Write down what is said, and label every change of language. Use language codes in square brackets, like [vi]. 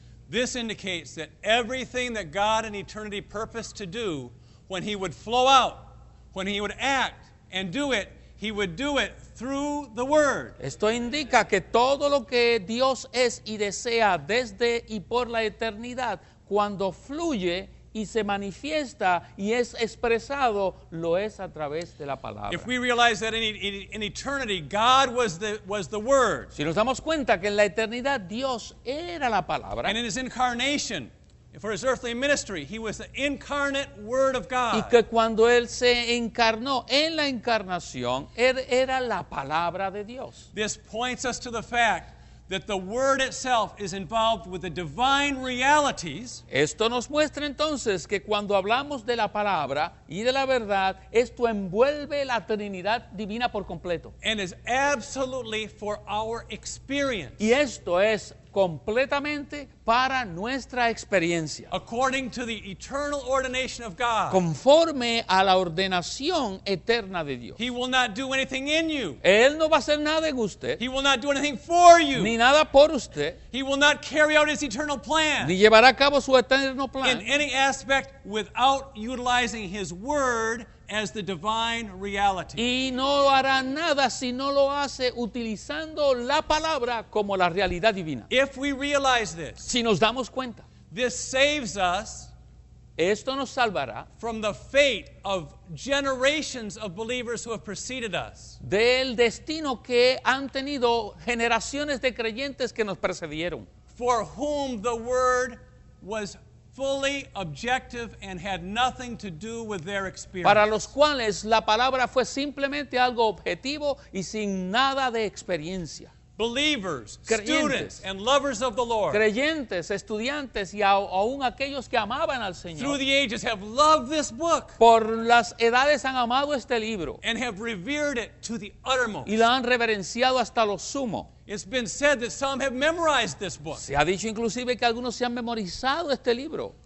[en] This indicates that everything that God in eternity purposed to do, when He would flow out, when He would act and do it, He would do it through the Word. [es] Esto indica que todo lo que Dios es y desea desde y por la eternidad, cuando fluye y se manifiesta y es expresado, lo es a través de la palabra. [en] If we realize that in eternity God was the Word. [es] Si nos damos cuenta que en la eternidad Dios era la palabra. [en] And in His incarnation, for His earthly ministry, He was the incarnate Word of God. [es] Y que cuando Él se encarnó en la encarnación, Él era la palabra de Dios. [en] This points us to the fact that the Word itself is involved with the divine realities. [es] Esto nos muestra entonces que cuando hablamos de la palabra y de la verdad, esto envuelve la Trinidad divina por completo. [en] And is absolutely for our experience. [es] Y esto es completamente para nuestra experiencia. [en] According to the eternal ordination of God. [es] Conforme a la ordenación eterna de Dios. [en] He will not do anything in you. [es] Él no va a hacer nada en usted. [en] He will not do anything for you. [es] Ni nada por usted. [en] He will not carry out His eternal plan. [es] Ni llevará a cabo su eterno plan. [en] In any aspect without utilizing His word as the divine reality. [es] Y no hará nada si no lo hace utilizando la palabra como la realidad divina. [en] If we realize this, [es] si nos damos cuenta, [en] this saves us. [es] Esto nos salvará [en] from the fate of generations of believers who have preceded us. [es] Del destino que han tenido generaciones de creyentes que nos precedieron. [en] For whom the word was fully objective and had nothing to do with their experience. [es] Para los cuales la palabra fue simplemente algo objetivo y sin nada de experiencia. [en] Believers, students, and lovers of the Lord. [es] Creyentes, estudiantes y aún aquellos que amaban al Señor. [en] Through the ages have loved this book. [es] Por las edades han amado este libro. [en] And have revered it to the uttermost. [es] Y lo han reverenciado hasta lo sumo. [en] It's been said that some have memorized this book. [es] Se ha dicho inclusive que algunos se han memorizado este libro.